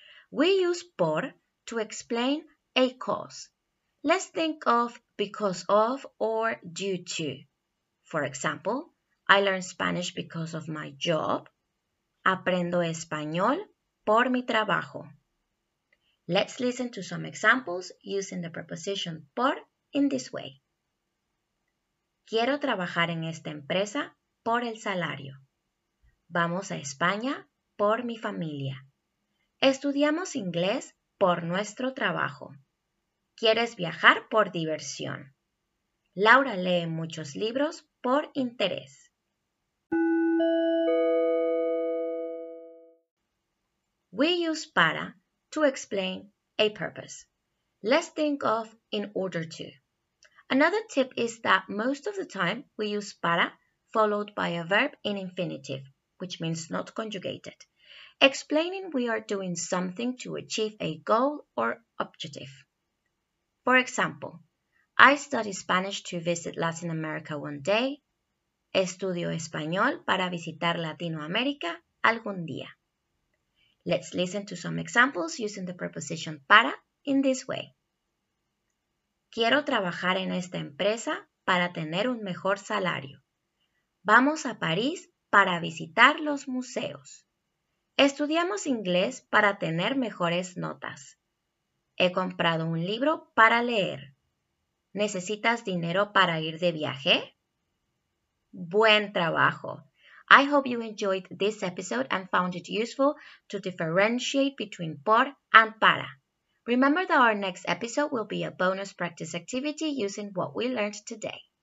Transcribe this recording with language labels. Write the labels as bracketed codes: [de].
[en] We use por to explain a cause. Let's think of because of or due to. For example, I learn Spanish because of my job. [es] Aprendo español por mi trabajo. [en] Let's listen to some examples using the preposition por in this way. [es] Quiero trabajar en esta empresa por el salario. Vamos a España por mi familia. Estudiamos inglés por nuestro trabajo. ¿Quieres viajar por diversión? Laura lee muchos libros por interés. [en] We use para to explain a purpose. Let's think of in order to. Another tip is that most of the time we use para followed by a verb in infinitive, which means not conjugated, explaining we are doing something to achieve a goal or objective. For example, I study Spanish to visit Latin America one day. [es] Estudio español para visitar Latinoamérica algún día. [en] Let's listen to some examples using the preposition para in this way. [es] Quiero trabajar en esta empresa para tener un mejor salario. Vamos a París para visitar los museos. Estudiamos inglés para tener mejores notas. He comprado un libro para leer. ¿Necesitas dinero para ir de viaje? ¡Buen trabajo! [en] I hope you enjoyed this episode and found it useful to differentiate between por and para. Remember that our next episode will be a bonus practice activity using what we learned today.